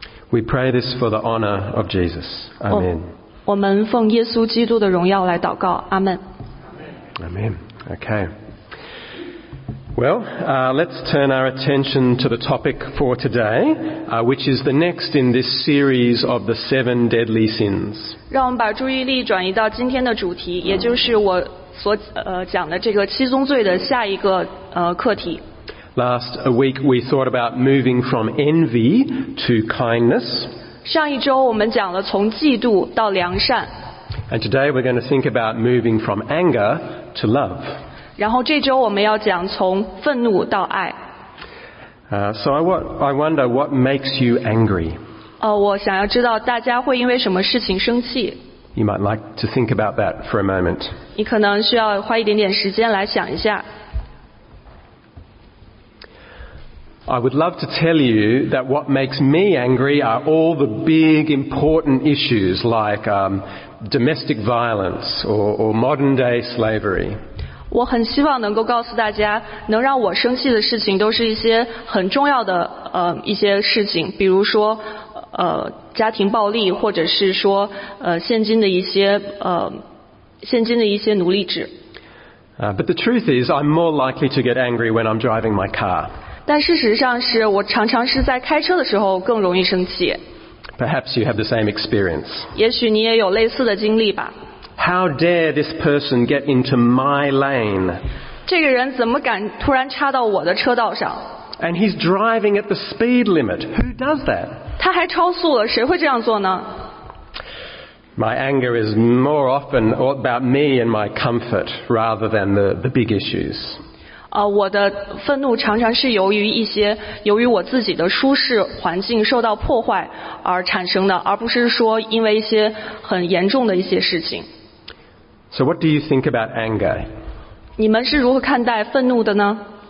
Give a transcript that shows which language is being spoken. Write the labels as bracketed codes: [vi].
[en] We pray this for the honor of Jesus. Amen. [zh] 我们奉耶稣基督的荣耀来祷告。阿们。 [en] Amen. Okay. Well, let's turn our attention to the topic for today, which is the next in this series of the seven deadly sins. [zh] 让我们把注意力转移到今天的主题，也就是我所讲的这个七宗罪的下一个课题。 [en] Last week we thought about moving from envy to kindness. [zh] 上一周我们讲了从嫉妒到良善。 [en] And today we're going to think about moving from anger to love. [zh] 然后这周我们要讲从愤怒到爱。 [en] I wonder what makes you angry. [zh] 我想要知道大家会因为什么事情生气。 [en] You might like to think about that for a moment. [zh] 你可能需要花一点点时间来想一下。 [en] I would love to tell you that what makes me angry are all the big important issues like domestic violence or modern day slavery. [zh] 我很希望能够告诉大家，能让我生气的事情都是一些很重要的一些事情，比如说家庭暴力，或者是说现今的一些奴隶制。 [en] But the truth is, I'm more likely to get angry when I'm driving my car. [zh] 但事实上是我常常是在开车的时候更容易生气。 [en] Perhaps you have the same experience. [zh] 也许你也有类似的经历吧。 [en] How dare this person get into my lane? [zh] 这个人怎么敢突然插到我的车道上？ [en] And he's driving at the speed limit. Who does that? [zh] 他还超速了，谁会这样做呢？ [en] My anger is more often about me and my comfort rather than the big issues. [zh] 我的愤怒常常是由于我自己的舒适环境受到破坏而产生的，而不是说因为一些很严重的一些事情。 [en] So what do you think about anger? [zh] 你们是如何看待愤怒的呢？